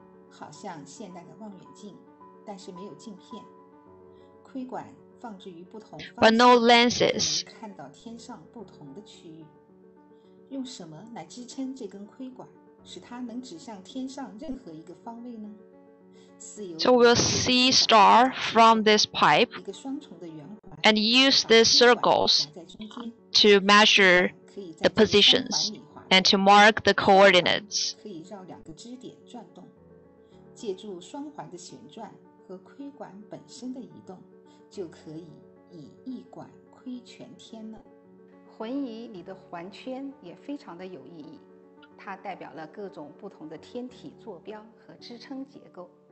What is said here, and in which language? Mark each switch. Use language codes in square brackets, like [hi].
[zh] 好像现代的望远镜，但是没有镜片。窥管放置于不同 [en] 方向 but no lenses [zh] 看到天上不同的区域。用什么来支撑这根窥管，使它能指向天上任何一个方位呢？ [en] So we'll see star from this pipe and use these circles to measure the positions and to mark the coordinates. [zh] 可以绕两个支点转动，借助双环的旋转和窥管本身的移动，就可以以一管窥全天了。浑仪里的环圈也非常的有意义，它代表了各种不同的天体坐标和支撑结构。